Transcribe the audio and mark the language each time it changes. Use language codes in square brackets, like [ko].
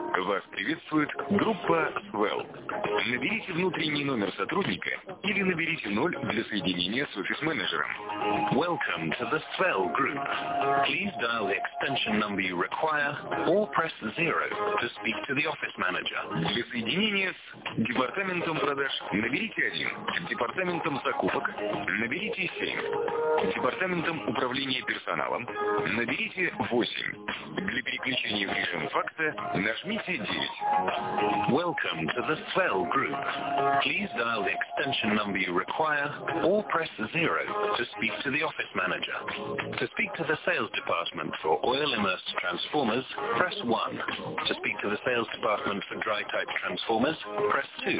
[ru] Вас приветствует группа Well. Наберите внутренний номер сотрудника или наберите 0 для соединения с офис-менеджером. [en] Welcome to the Swell Group. Please dial the extension number you require or press 0 to speak to the office manager. [ru] Для соединения с департаментом продаж наберите 1. Департаментом закупок наберите 7. Департаментом управления персоналом наберите 8. Для переключения в режим факса нажмите 9. [en] Welcome to the Swell Group. Please dial the extension number you require or press 0 to speak to the office manager. To speak to the sales department for oil immersed transformers, press 1. To speak to the sales department for dry type transformers, press 2.